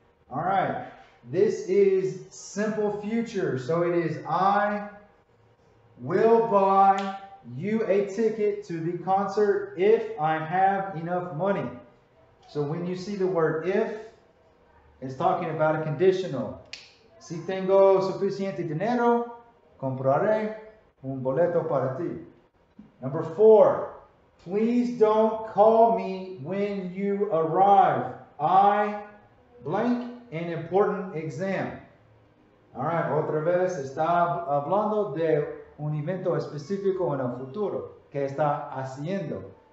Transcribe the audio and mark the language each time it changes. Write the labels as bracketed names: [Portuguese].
[English] All right, this is simple future. So, it is I will buy you a ticket to the concert if I have enough money. So when you see the word if, it's talking about a conditional. [Spanish] Si tengo suficiente dinero, compraré un boleto para ti. [English] Number four, please don't call me when you arrive. I blank an important exam. All right, [Spanish] otra vez está hablando de un evento específico en el futuro que está haciendo.